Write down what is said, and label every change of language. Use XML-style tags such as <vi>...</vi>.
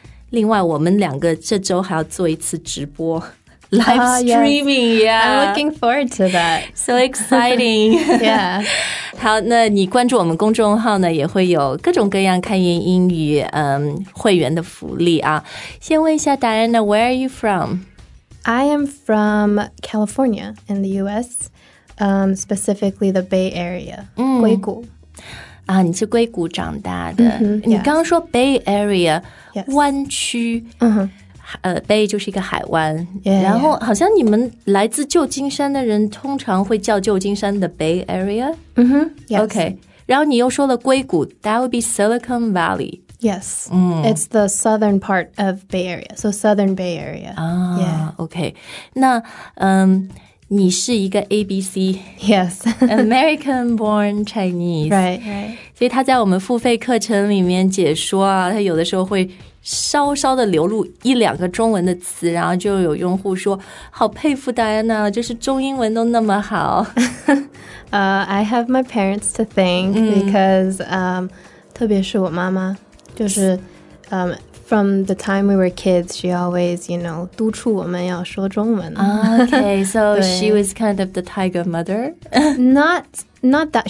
<zh>另外我们两个这周还要做一次直播</zh> <en>live streaming、 yeah. I'm looking forward to that. So exciting. Yeah.</en> <zh>好，那你关注我们公众号呢也会有各种各样开言英语会员的福利啊。先问一下</zh> <en>Diana, where are you from? I am from California in the US, specifically the Bay Area, 硅谷。</en> <zh>啊，你是硅谷长大的。</zh> <en>Mm-hmm, yes.</en> <zh>你刚刚说 Bay Area,、</zh> <en>yes.</en> <zh>湾区、 mm-hmm. ，Bay 就是一个海湾。</zh> <en>Yeah,</en> <zh>然后好像你们来自旧金山的人通常会叫旧金山的 Bay Area。</zh> <en>嗯哼 ，Yes. OK.</en> <zh>然后你又说了硅谷</zh> <en>，That would be Silicon Valley. Yes. It's the southern part of Bay Area, so Southern Bay Area. 啊、 yeah.</en> <zh>，OK. 那你是一个 ABC,</zh> <en>yes, American-born Chinese, right, right.</en> <zh>所以他在我们付费课程里面解说啊，他有的时候会稍稍的流露一两个中文的词，然后就有用户说，好佩服 Diana, 就是中英文都那么好。</zh> <en>I have my parents to thank because,</en> <zh>特别是我妈妈，就是</zh> <en>from the time we were kids, she always, you know,</en> <zh>督促我们要说中文。</zh> <en>Okay, so she was kind of the tiger mother? not that.</en>